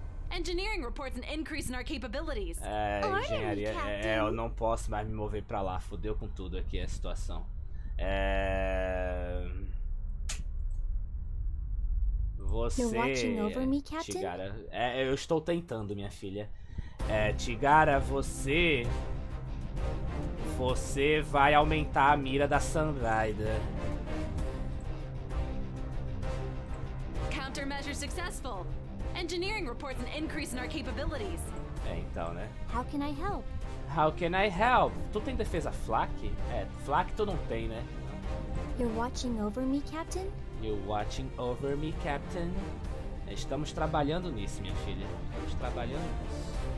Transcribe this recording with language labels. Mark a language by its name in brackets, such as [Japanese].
[English] Engineering reports an increase in our capabilities. [Portuguese] É, engenharia. É, eu não posso mais me mover pra lá. Fudeu com tudo aqui a situação. É. Você. Tigara. É, eu estou tentando, minha filha. É, Tigara, você. Você vai aumentar a mira da Sunrider. [English] Countermeasure successful. Engineering reports an increase in our capabilities. [Portuguese] É, então, né? [English] How can I help? How can I help? [Portuguese] Tu tem defesa flak? É, flak tu não tem, né? [English] You're watching over me, Captain? You're watching over me, Captain? [Portuguese] Estamos trabalhando nisso, minha filha. Estamos trabalhando nisso.